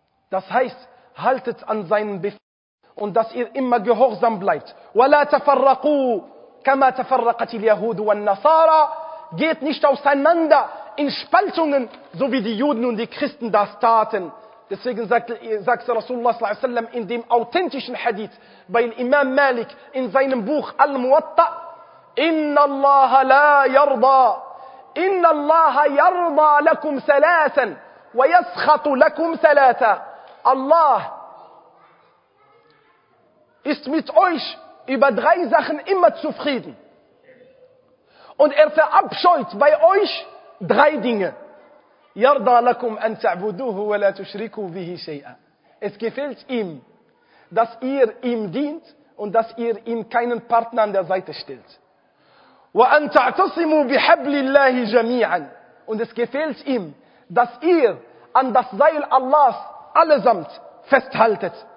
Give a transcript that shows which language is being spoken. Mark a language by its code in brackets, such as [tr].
[de] Das heißt, haltet an seinen Befehlen und dass ihr immer gehorsam bleibt. [ar] Wa la tafarraqu kama tafarraqat al-yahud wa an-nasara. [de] Geht nicht auseinander in Spaltungen, so wie die Juden und die Christen das taten. Deswegen sagt Rasulullah s.a.w. in dem authentischen Hadith bei Imam Malik in seinem Buch Al-Muwatta, [ar] إن الله لا يرضى إن الله يرضى لكم ثلاثا [de] ويسخط لكم ثلاثا. الله ist mit euch über drei Sachen immer zufrieden und er verabscheut bei euch drei Dinge. [ar] يرضى لكم أن تعبدوه ولا تشركوا به شيئا. [de] Es gefällt ihm, dass ihr ihm dient und dass ihr ihm keinen Partner an der Seite stellt. [ar] وَأَن تَعْتَصِمُوا بِحَبْلِ اللَّهِ جَمِيعًا. [de] Und es gefällt ihm, dass ihr an das Seil Allahs allesamt festhaltet.